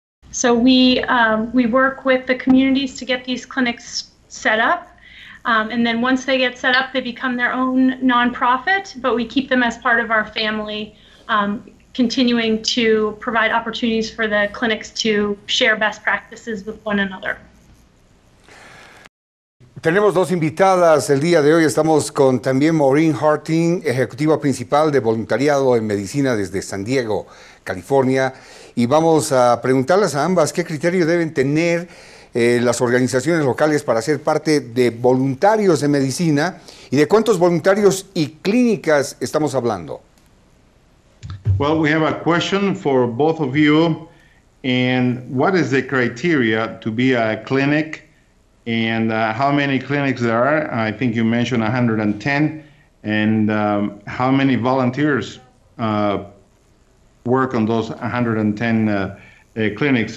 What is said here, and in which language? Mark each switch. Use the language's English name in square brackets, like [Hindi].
[English] So we work with the communities to get these clinics set up, and then once they get set up, they become their own nonprofit, but we keep them as part of our family, continuing to provide opportunities for the clinics to share best practices with one another. [Spanish] Tenemos dos invitadas el día de hoy. Estamos con también Maureen Hartin, ejecutiva principal de voluntariado en medicina desde San Diego, California. Y vamos a preguntarles a ambas qué criterio deben tener las organizaciones locales para ser parte de voluntarios de medicina y de cuántos voluntarios y clínicas estamos hablando. [English] Well, we have a question for both of you. And what is the criteria to be a clinic? And how many clinics there are? I think you mentioned 110. And how many volunteers work on those 110 clinics?